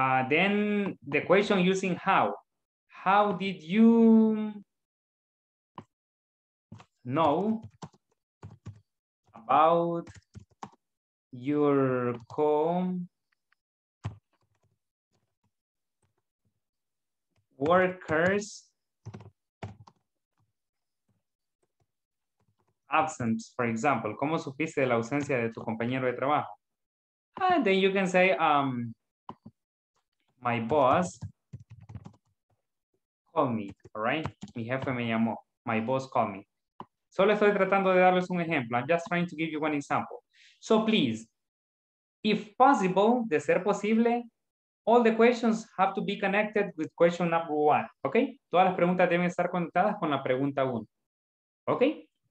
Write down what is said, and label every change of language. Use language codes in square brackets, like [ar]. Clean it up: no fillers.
[en] Then the question using how. How did you know about your co-workers' absence, for example? [es] ¿Cómo supiste la ausencia de tu compañero de trabajo? [en] And then you can say, my boss called me, all right? [es] Mi jefe me llamó, [en] my boss called me. [es] Solo estoy tratando de darles un ejemplo. [en] I'm just trying to give you one example. So please, if possible, [es] de ser posible, [en] all the questions have to be connected with question number one, okay? [es] Todas las preguntas deben estar conectadas con la pregunta uno, okay?